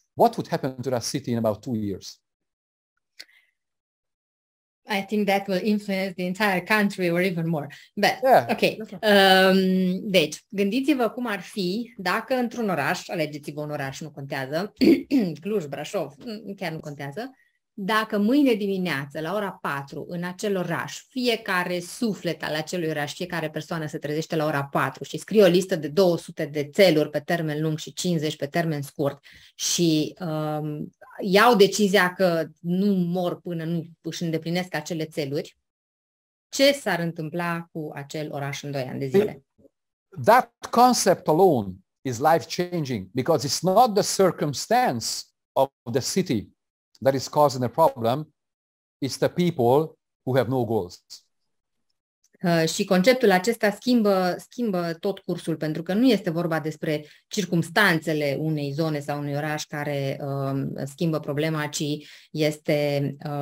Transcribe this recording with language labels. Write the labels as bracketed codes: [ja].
[en] What would happen to that city in about 2 years? I think that will influence the entire country or even more. But, yeah. Okay. [ro] Deci, gândiți-vă cum ar fi dacă într-un oraș, alegeți-vă un oraș, nu contează, Cluj, Brașov, chiar nu contează, dacă mâine dimineață, la ora 4, în acel oraș, fiecare suflet al acelui oraș, fiecare persoană se trezește la ora 4 și scrie o listă de 200 de țeluri pe termen lung și 50 pe termen scurt și iau decizia că nu mor până nu își îndeplinesc acele țeluri, ce s-ar întâmpla cu acel oraș în 2 ani de zile? [en] That concept alone is life-changing because it's not the circumstance of the city that is causing a problem, is the people who have no goals. [ro] Și conceptul acesta schimbă tot cursul, pentru că nu este vorba despre circumstanțele unei zone sau unui oraș care schimbă problema, ci este...